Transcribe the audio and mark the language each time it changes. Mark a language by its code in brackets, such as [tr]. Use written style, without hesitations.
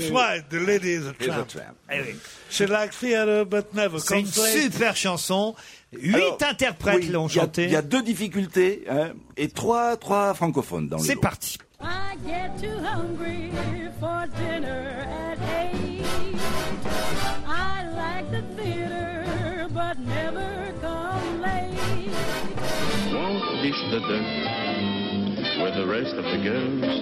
[en] That's why The Lady is a Tramp. She likes theater but never complains. [fr] C'est une super chanson. 8 interprètes l'ont chantée. Il y a 2 difficultés et 3 francophones dans le lot. C'est parti. [en] I get too hungry for dinner at 8. I like the theater but never come late. Won't dish the dirt with the rest of the girls.